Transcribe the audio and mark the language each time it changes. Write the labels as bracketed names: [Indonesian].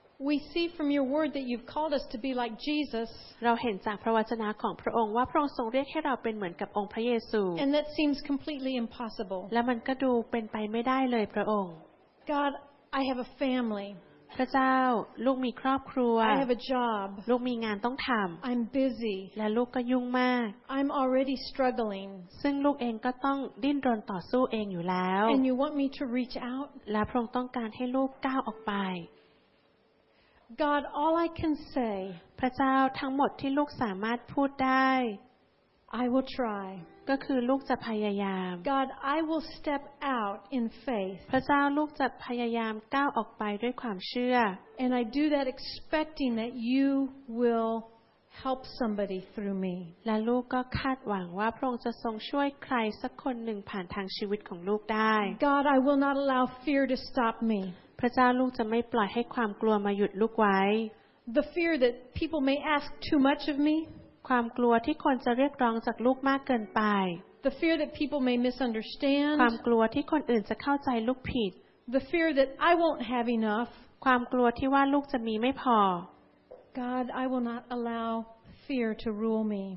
[English] We see from your word that you've called us to be like Jesus. [Thai] เราเห็นจากพระวจนะของพระองค์ว่าพระองค์ทรงเรียกให้เราเป็นเหมือนกับองค์พระเยซู [English] And that seems completely impossible. [Thai] และมันก็ดูเป็นไปไม่ได้เลยพระองค์ [English] God, I have a family. [Thai] พระเจ้าลูกมีครอบครัว [English] I have a job. [Thai] ลูกมีงานต้องทำ [English] I'm busy. [Thai] และลูกก็ยุ่งมาก [English] I'm already struggling. [Thai] ซึ่งลูกเองก็ต้องดิ้นรนต่อสู้เองอยู่แล้ว [English] And you want me to reach out. [Thai] และพระองค์ต้องการให้ลูกก้าวออกไป [English] God, all I can say. [Thai] พระเจ้าทั้งหมดที่ลูกสามารถพูดได้ [English] I will try. [Thai] ก็คือลูกจะพยายาม [English] God, I will step out in faith. [Thai] พระเจ้าลูกจะพยายามก้าวออกไปด้วยความเชื่อ [English] And I do that expecting that you will help somebody through me. [Thai] และลูกก็คาดหวังว่าพระองค์จะทรงช่วยใครสักคนหนึ่งผ่านทางชีวิตของลูกได้ [English] God, I will not allow fear to stop me. [Thai] พระเจ้าลูกจะไม่ปล่อยให้ความกลัวมาหยุดลูกไว้ [English] The fear that people may ask too much of me [Thai] ความกลัวที่คนจะเรียกร้องจากลูกมากเกินไป [English] The fear that people may misunderstand [Thai] ความกลัวที่คนอื่นจะเข้าใจลูกผิด [English] The fear that I won't have enough [Thai] ความกลัวที่ว่าลูกจะมีไม่พ [English] อ God I will not allow fear to rule me